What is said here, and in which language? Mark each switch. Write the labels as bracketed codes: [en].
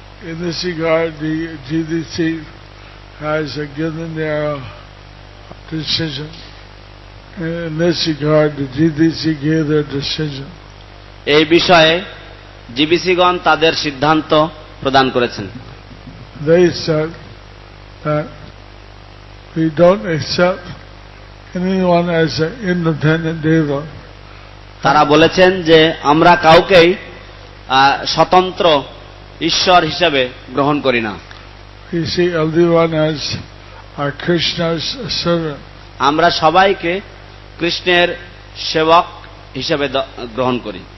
[en] In this regard, the GDC has given their decision. In this regard, the GDC gave their decision. [bn] এই বিষয়ে GBC গণ তাদের সিদ্ধান্ত প্রদান করেছেন। [en] They said that we don't accept anyone as an independent deva. [bn] তারা বলেছেন যে আমরা কাউকেই স্বতন্ত্র ঈশ্বর হিসেবে গ্রহণ করি না। [en] We see everyone as our Krishna's servant. [bn] আমরা সবাইকে কৃষ্ণের সেবক হিসেবে গ্রহণ করি।